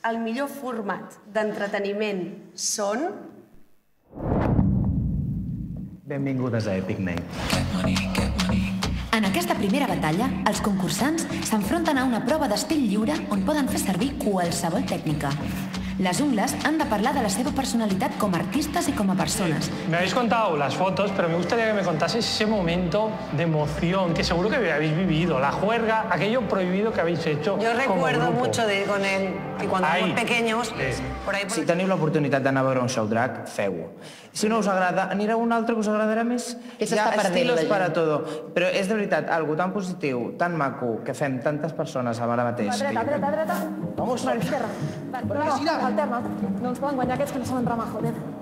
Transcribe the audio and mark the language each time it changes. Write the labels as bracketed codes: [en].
[ca] El millor format d'entreteniment són... Benvingudes a Epic Mail. En aquesta primera batalla, els concursants s'enfronten a una prova d'estil lliure on poden fer servir qualsevol tècnica. Les ungles han de parlar de la seva personalitat com a artistes i com a persones. [es] Sí, me habéis contado las fotos, pero me gustaría que me contaseis ese momento de emoción que seguro que habéis vivido, la juerga, aquello prohibido que habéis hecho. Yo recuerdo mucho de con él, que cuando éramos pequeños... [ca] Por ahí, por... Si teniu l'oportunitat d'anar a veure un show drag, feu-ho. Si no us agrada, anireu a un altre que us agradarà més. Hi ha estilos per a tot. Però és de veritat, algo tan positiu, tan maco, que fem tantes persones ara mateix. A dreta, a dreta, a dreta. [es] Vamos. [ca] Va, però, no ens poden guanyar aquests que no saben remar, joder.